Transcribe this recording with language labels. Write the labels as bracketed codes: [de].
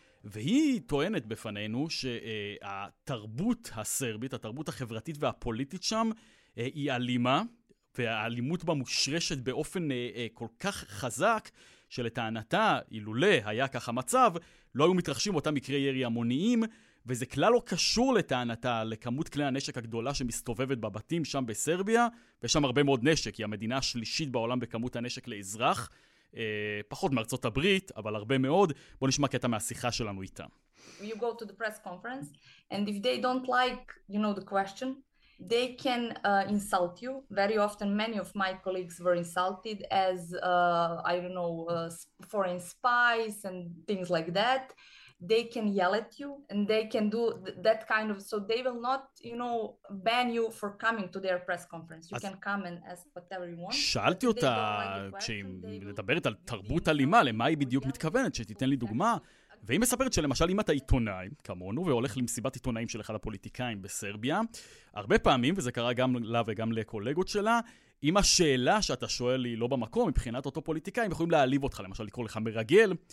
[he] והיא טוענת בפנינו שהתרבות הסרבית, התרבות החברתית והפוליטית שם היא אלימה, והאלימות בה מושרשת באופן כל כך חזק, שלטענתה, אילולא היה ככה מצב, לא היו מתרחשים אותם מקרי ירי המוניים, וזה כלל לא קשור לטענתה לכמות כלי הנשק הגדולה שמסתובבת בבתים שם בסרביה, ויש שם הרבה מאוד נשק, היא המדינה השלישית בעולם בכמות הנשק לאזרח, פחות מארצות הברית, אבל הרבה מאוד. בוא נשמע קטע מהשיחה שלנו איתה. [en] You go to the press conference, and if they don't like, you know, the question, they can insult you. Very often many of my colleagues were insulted as, I don't know, foreign spies and things like that. They can yell at you and they can do that kind of, so they will not, you know, ban you for coming to their press conference. You can come and ask whatever you want. [he] שאלתי אותה, כשהיא מדברת על תרבות אלימה, למה היא בדיוק מתכוונת, שתיתן לי דוגמה. והיא מספרת שלמשל, אם אתה עיתונאי, כמונו, והולך למסיבת עיתונאים של אחד הפוליטיקאים בסרביה, הרבה פעמים, וזה קרה גם לה וגם לקולגות שלה, אם השאלה שאתה שואל היא לא במקום, מבחינת אותו פוליטיקאי, הם יכולים להעליב אותך, למשל, לקרוא לך מרגל,